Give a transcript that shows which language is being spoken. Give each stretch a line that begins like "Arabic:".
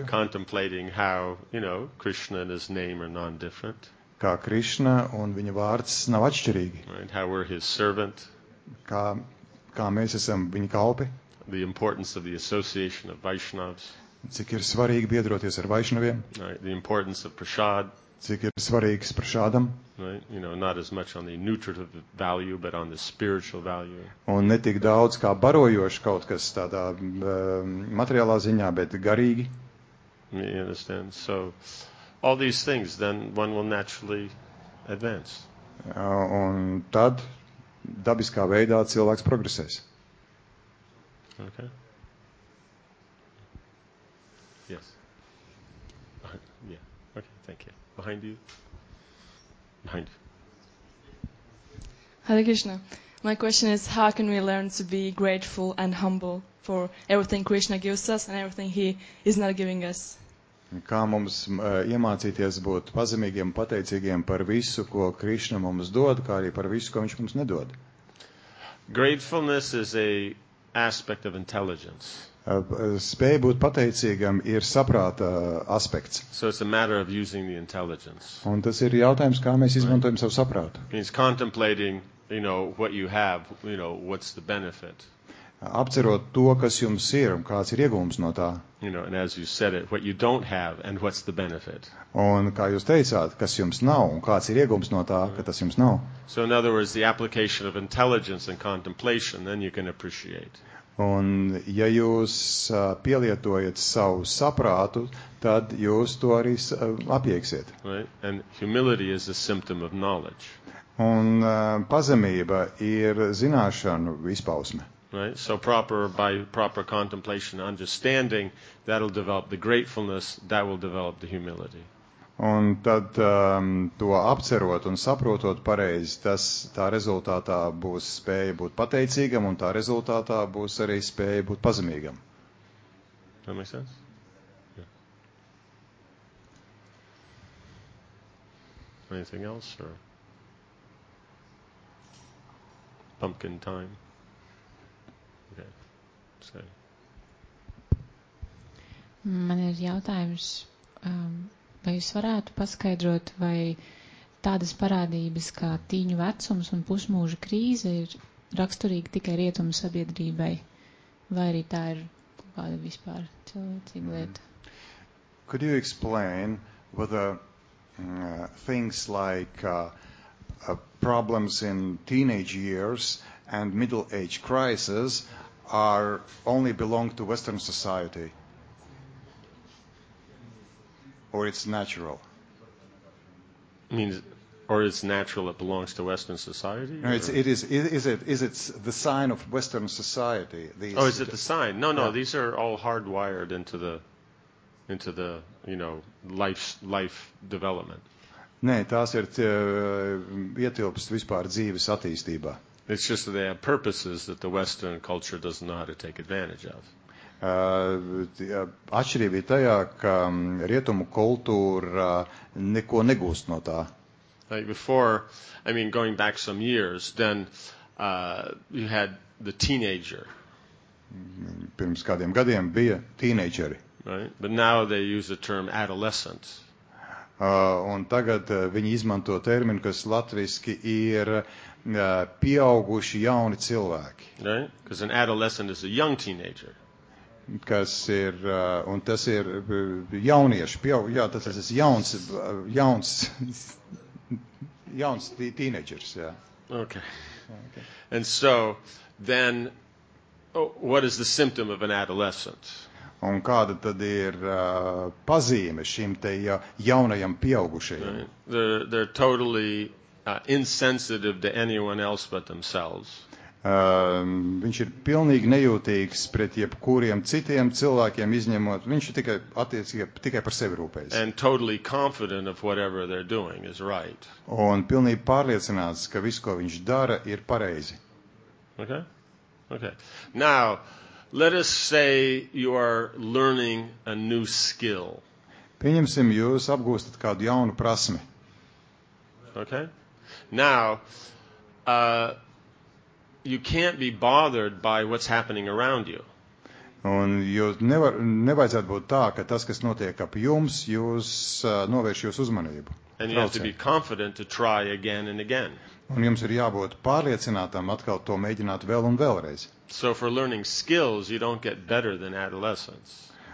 English: Right, contemplating how, you know, Krishna and his name are non-different.
Latvian: Kā Krishna un viņa vārds nav atšķirīgi.
English: Right, how we're his servant.
Latvian: Kā mēs esam viņa kalpi.
English: The importance of the association of Vaishnavs.
Latvian: Cik ir svarīgi biedroties ar Vaishnaviem.
English: Right, the importance of prasad.
Latvian: Cik ir svarīgs prasādam.
English: Right, you know, not as much on the nutritive value, but on the spiritual value.
Latvian: Un ne tik daudz kā barojoši kaut kas tādā materiālā ziņā, bet garīgi.
English: You understand? So, all these things, then one will naturally advance.
Latvian: Un tad dabiskā veidā cilvēks progresēs.
English: Okay. Yes. Yeah. Okay, thank you. Behind you. Behind you. Hare Krishna. My question is, how can we learn to be grateful and humble for everything Krishna gives us and everything he is not giving us?
Latvian: Kā mums iemācīties būt pazemīgiem, pateicīgiem par visu, ko Krishna mums dod, kā arī par visu, ko viņš mums nedod?
English: Gratefulness is a aspect of intelligence.
Latvian: Spēja būt pateicīgam ir saprāta aspekts.
English: So it's a matter of using the intelligence.
Latvian: Un tas ir jautājums, kā mēs izmantojam savu saprātu.
English: Means contemplating, you know, what you have, you know, what's the benefit.
Latvian: Apcerot to, kas jums ir un kāds ir iegūms no tā.
English: You know, and as you said it, what you don't have and what's the benefit.
Latvian: Un kā jūs teicāt, kas jums nav un kāds ir iegūms no tā, ka tas jums nav.
English: So in other words, the application of intelligence and contemplation, then you can appreciate.
Latvian: Un ja jūs pielietojat savu saprātu, tad jūs to arī apieksiet.
English: Right? And humility is a symptom of knowledge.
Latvian: Un pazemība ir zināšanu izpausme.
English: Right? So proper, by proper contemplation and understanding, that will develop the gratefulness, that will develop the humility.
Latvian: Un tad to apcerot un saprotot pareizi, tas tā rezultātā būs spēja būt pateicīgam un tā rezultātā būs arī spēja būt pazemīgam.
English: That makes sense? Yeah. Anything else? Or pumpkin time? Okay. Sorry.
Latvian: Man ir jautājums. Vai jūs varētu paskaidrot, vai tādas parādības kā tīņu vecums un pusmūža krīze ir raksturīga tikai rietumu sabiedrībai, vai arī tā ir kāda vispār cilvēcīga lieta?
English: Could you explain whether things like problems in teenage years and middle age crisis are only belong to Western society? Or it's natural. Means, or it's natural. It belongs to Western society. No, is it the sign of Western society? Oh, is it the sign? No, no. Yeah. These are all hardwired into the you know life development.
Latvian: Nē, tās ir ietilpst vispār dzīves attīstībā.
English: It's just that they have purposes that the Western culture doesn't know how to take advantage of.
Latvian: Atšķirība ir tajā, ka rietumu kultūra neko negūst no tā.
English: Like before, I mean, going back some years, then you had the teenager.
Latvian: Pirms kādiem gadiem bija teenageri.
English: Right? But now they use the term adolescent.
Latvian: Un tagad viņi izmanto terminu, kas latviski ir pieauguši jauni cilvēki.
English: Right? Because an adolescent is a young teenager.
Latvian: Kas ir, un tas ir jaunieši, jā, tas ir jauns jauns teenagers, yeah.
English: Okay. And so then what is the symptom of an adolescent?
Latvian: Un kāda tad ir pazīme šim te jaunajam pieaugušajam?
English: They're totally insensitive to anyone else but themselves.
Latvian: Viņš ir pilnīgi nejūtīgs pret jebkuriem citiem cilvēkiem izņemot, viņš ir tikai attiecīgi tikai par sevi rūpējas.
English: And totally confident of whatever they're doing is right.
Latvian: Un pilnīgi pārliecināts, ka viss, ko viņš dara, ir pareizi.
English: Okay? Okay. Now, let us say you are learning a new skill.
Latvian: Pieņemsim, jūs apgūstat kādu jaunu prasmi.
English: Okay? Now, you can't be bothered by what's happening around you.
Latvian: Un jūs nevajadzētu būt tā, ka tas, kas notiek ap jums, jūs novērš jūs uzmanību.
English: And you have to be confident to try again and again.
Latvian: Un jums ir jābūt pārliecinātam atkal to mēģināt vēl un vēlreiz.
English: So for learning skills, you don't get better than adolescents.